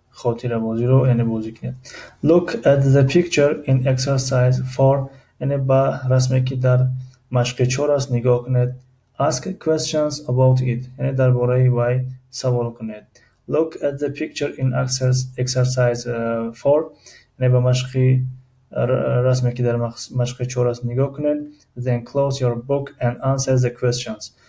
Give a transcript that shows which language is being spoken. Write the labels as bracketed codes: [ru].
[fa] خاطره بازی رو یعنی بازی کنیم. [en] Look at the picture in exercise 4. [fa] یعنی با رسمی که در مشق 4 است نگاه کنید. [en] Ask questions about it. [fa] یعنی در باره وای سوال کنید. [en] Look at the picture in exercise 4. [fa] یعنی با مشق رسمی که در مشق 4 است نگاه کنید. [en] Then close your book and answer the questions.